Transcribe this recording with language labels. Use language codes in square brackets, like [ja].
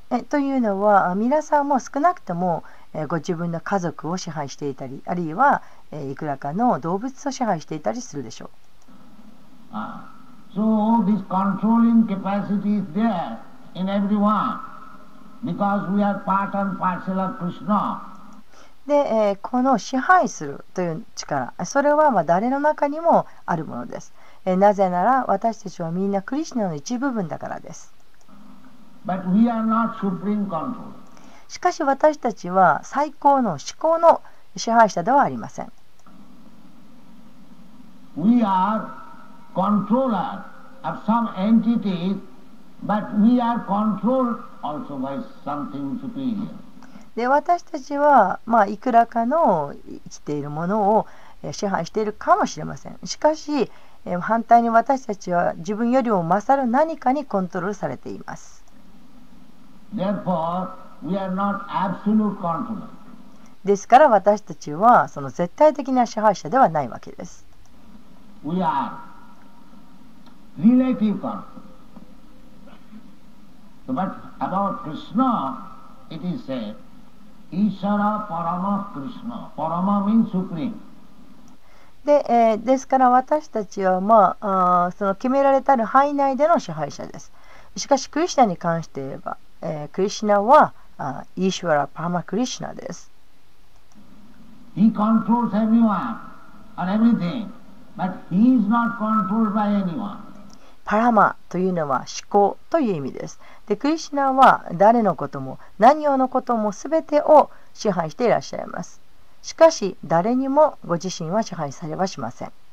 [ja] というのは、皆さんも少なくともご自分の家族を支配していたり、あるいはいくらかの動物を支配していたりするでしょう。 [en] So this controlling capacity is thereIn everyone, because we are part and parcel of Krishna. [ja] で、この支配するという力、それはまあ誰の中にもあるものです。なぜなら私たちはみんなクリシナの一部分だからです。 [en] But we are not supreme control. [ja] しかし私たちは最高の至高の支配者ではありません。 [en] We are controller of some entities. But we are controlled also by something superior. [ja] で、私たちは、まあ、いくらかの生きているものを支配しているかもしれません。しかし、反対に私たちは自分よりも勝る何かにコントロールされています。 [en] Therefore, we are not absolute controller. [ja] ですから私たちはその絶対的な支配者ではないわけです。 [en] We are relative controller. But about Krishna, it is said, [sa] Ishara Parama Krishna. [en] Parama means supreme. [ja] で、ですから私たちは、まあ、その決められたる範囲内での支配者です。しかし、クリシナに関して言えば、クリシナはイシュワラ・パーマ・クリシナです。 [en] He controls everyone and everything, but he is not controlled by anyone. [ja] パラマというのは思考という意味です。で、クリシナは誰のことも何をのことも全てを支配していらっしゃいます。しかし誰にもご自身は支配されはしません。